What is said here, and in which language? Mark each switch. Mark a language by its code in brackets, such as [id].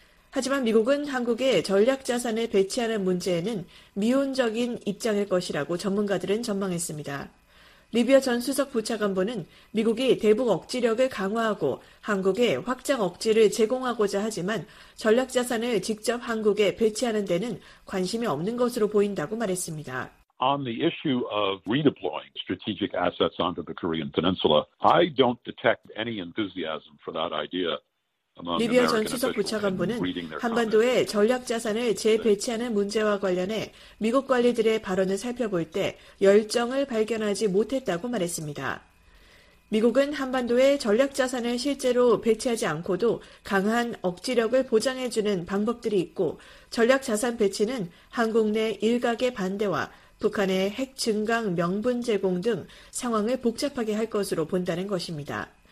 [ko] 하지만 미국은 한국에 전략자산을 배치하는 문제에는 미온적인 입장일 것이라고 전문가들은 전망했습니다. 리비어 전 수석 부차관보는 미국이 대북 억지력을 강화하고 한국에 확장 억지를 제공하고자 하지만 전략자산을 직접 한국에 배치하는 데는 관심이 없는 것으로 보인다고 말했습니다. [en] On the issue of redeploying strategic assets onto the Korean Peninsula, I don't detect any enthusiasm for that idea. [ko] 리비어 전 수석 부차관보는 한반도에 전략자산을 재배치하는 문제와 관련해 미국 관리들의 발언을 살펴볼 때 열정을 발견하지 못했다고 말했습니다. 미국은 한반도에 전략자산을 실제로 배치하지 않고도 강한 억지력을 보장해주는 방법들이 있고 전략자산 배치는 한국 내 일각의 반대와 북한의 핵 증강 명분 제공 등 상황을 복잡하게 할 것으로 본다는 것입니다.